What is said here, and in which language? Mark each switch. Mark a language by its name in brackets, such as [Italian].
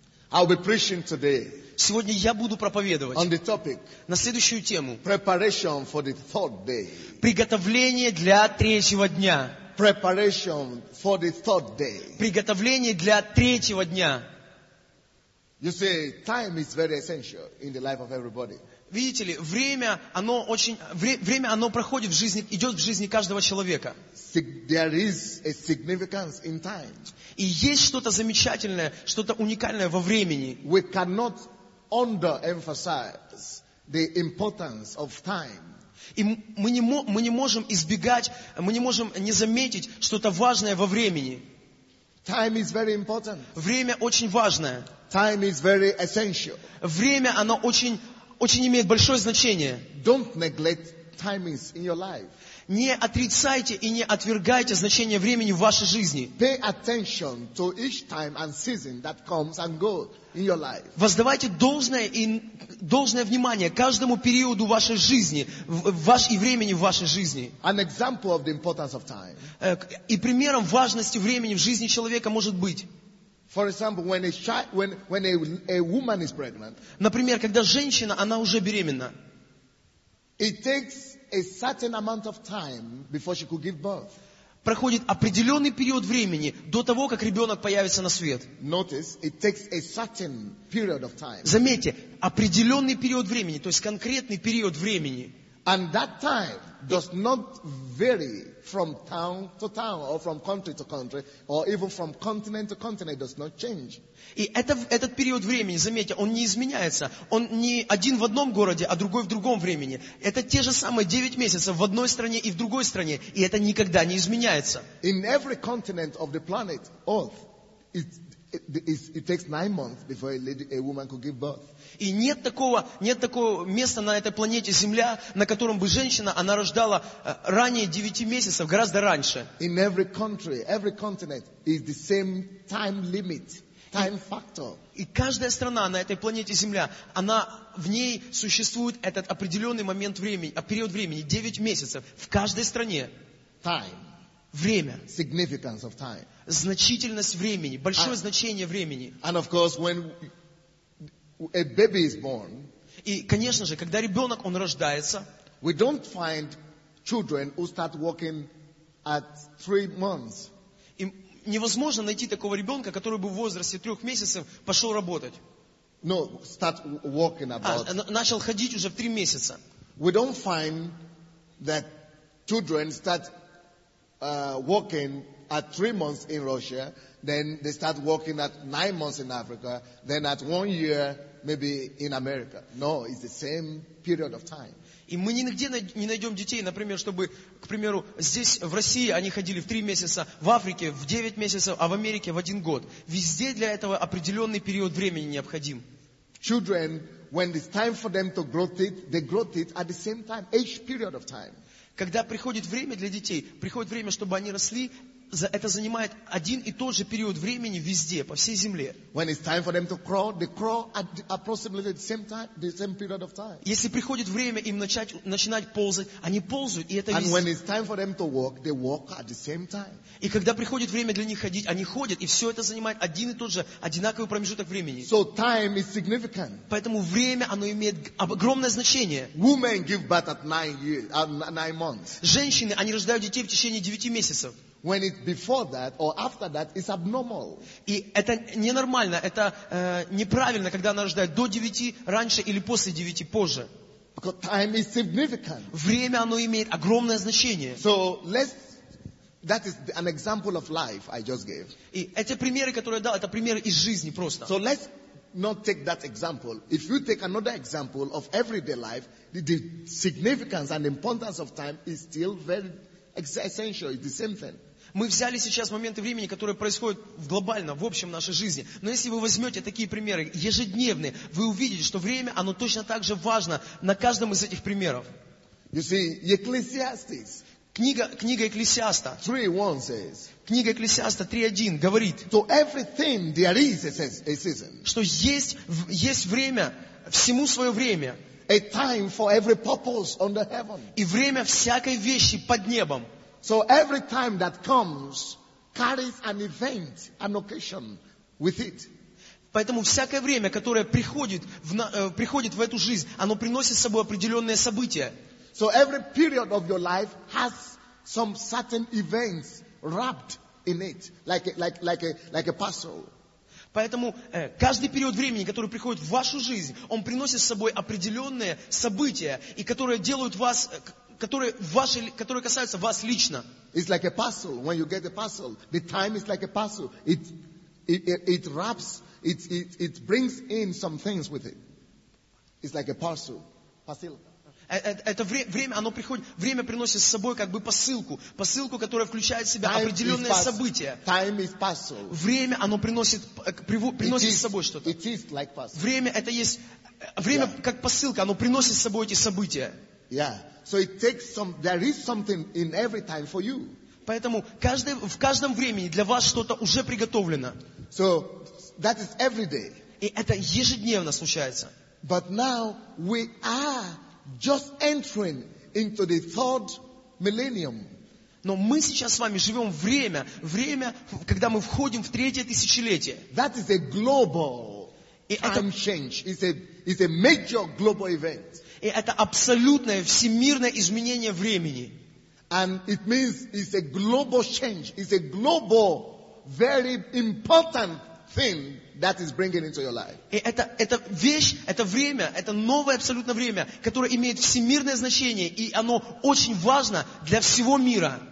[English] I'll be preaching today. [Russian] Сегодня я буду проповедовать [English] on the topic, [Russian] на следующую тему. [English] Preparation for the third day. [Russian] Приготовление для третьего дня. [English] Preparation for the third day. [Russian] Приготовление для третьего дня. [English] You see, time is very essential in the life of everybody. [Russian] Видите ли, время, оно очень, время, оно проходит в жизни, идет в жизни каждого человека. [English] There is a significance in time. [Russian] И есть что-то замечательное, что-то уникальное во времени. [English] We cannot underemphasize the importance of time. [Russian] И мы не можем не заметить что-то важное во времени. [English] Time is very important. [Russian] Время очень важное. [English] Time is very essential. [Russian] Время, оно очень, очень имеет большое значение. [English] Don't neglect timings in your life. [Russian] Не отрицайте и не отвергайте значение времени в вашей жизни. [English] Pay attention to each time and season that comes and goes in your life. [Russian] Воздавайте должное внимание каждому периоду вашей жизни, и времени в вашей жизни. [English] An example of the importance of time. [Russian] И примером важности времени в жизни человека может быть. [English] For example, when a woman is pregnant. [Russian] Например, когда женщина, она уже беременна. [English] It takes a certain amount of time before she could give birth. [Russian] Проходит определенный период времени до того, как ребенок появится на свет. [English] Notice, it takes a certain period of time. [Russian] Заметьте, определенный период времени, то есть конкретный период времени. [English] And that time does not vary from town to town, or from country to country, or even from continent to continent, does not change. [Russian] И этот период времени, заметьте, он не изменяется. Он не один в одном городе, а другой в другом времени. Это те же самые 9 месяцев в одной стране и в другой стране, и это никогда не изменяется. [English] In every continent of the planet Earth, it takes 9 months before a woman could give birth. [Russian] И нет такого места на этой планете Земля, на котором бы женщина, она рождала ранее 9 месяцев, гораздо раньше. [English] In every country, every continent is the same time limit, time factor. [Russian] И каждая страна на этой планете Земля, она, в ней существует этот определенный момент времени, период времени, 9 месяцев. В каждой стране. [English] Time. [Russian] Время. [English] Significance of time. [Russian] Значительность времени, большое значение времени. [English] And of course, when a baby is born. [Russian] И, конечно же, когда ребенок, он рождается. [English] We don't find children who start walking at 3 months. [Russian] И невозможно найти такого ребенка, который бы в возрасте 3 месяцев пошел работать. [English] No, start walking about. [Russian] Начал ходить уже в 3 месяца. [English] We don't find that children start walking at 3 months in Russia, then they start walking at 9 months in Africa, then at 1 year. Maybe in America. No, it's the same period of time. [Russian] И мы нигде не найдем детей, например, чтобы, к примеру, здесь в России они ходили в 3 месяца, в Африке в 9 месяцев, а в Америке в 1 год. Везде для этого определенный период времени необходим. [English] Children, when it's time for them to grow it, they grow it at the same time, each period of time. [Russian] Когда приходит время для детей, приходит время, чтобы они росли, это занимает один и тот же период времени везде, по всей земле. [English] When it's time for them to crawl, they crawl at approximately the same time, the same period of time. [Russian] Если приходит время им начинать ползать, они ползают, и это везде. [English] And when it's time for them to walk, they walk at the same time. [Russian] И когда приходит время для них ходить, они ходят, и все это занимает один и тот же одинаковый промежуток времени. [English] So time is significant. [Russian] Поэтому время, оно имеет огромное значение. [English] Women give birth at 9 months. [Russian] Женщины, они рождают детей в течение 9 месяцев. [English] When it's before that or after that, it's abnormal. [Russian] И это ненормально, это неправильно, когда она рождает до 9 раньше или после 9 позже. [English] Because time is significant. [Russian] Время, оно имеет огромное значение. [English] So let's That is an example of life I just gave. [Russian] И эти примеры, которые я дал, это примеры из жизни просто. [English] So let's not take that example. If you take another example of everyday life, the significance and importance of time is still very essential. It's the same thing. [Russian] Мы взяли сейчас моменты времени, которые происходят в глобально, в общем, в нашей жизни. Но если вы возьмете такие примеры ежедневные, вы увидите, что время, оно точно так же важно на каждом из этих примеров. [English] You see, Ecclesiastes. [Russian] Книга Екклесиаста. [English] 3:1 says. [Russian] Книга Екклесиаста 3:1 говорит. [English] To everything there is a season. [Russian] Что есть время всему свое время. [English] A time for every purpose under heaven. [Russian] И время всякой вещи под небом. [English] So every time that comes carries an event, an occasion with it. [Russian] Поэтому всякое время, которое приходит в эту жизнь, оно приносит с собой определенные события. [English] So every period of your life has some certain events wrapped in it, like a puzzle. [Russian] Поэтому каждый период времени, который приходит в вашу жизнь, он приносит с собой определенные события, и которые делают вас, которые касаются вас лично. [English] It's like a puzzle. When you get a puzzle, the time is like a puzzle. It wraps. It brings in some things with it. It's like a puzzle. Puzzle. [Russian] Это время, оно приходит, время приносит с собой как бы посылку, которая включает в себя определенное событие. [English] Time is puzzle. [Russian] Время, оно приносит с собой что-то. [English] It is like puzzle. [Russian] Время, это есть, время yeah. как посылка, оно приносит с собой эти события. [English] Yeah. So it takes some, there is something in every time for you. [Russian] Поэтому в каждом времени для вас что-то уже приготовлено. [English] So that is every day. [Russian] И это ежедневно случается. [English] But now we are just entering into the third millennium. [Russian] Но мы сейчас с вами живем время, когда мы входим в третье тысячелетие. [English] That is a global time change. It's a major global event. [Russian] И это абсолютное всемирное изменение времени. [English] And it means it's a global change. It's a global, very important thing that is bringing into your life. [Russian] И это вещь, это время, это новое абсолютно время, которое имеет всемирное значение, и оно очень важно для всего мира.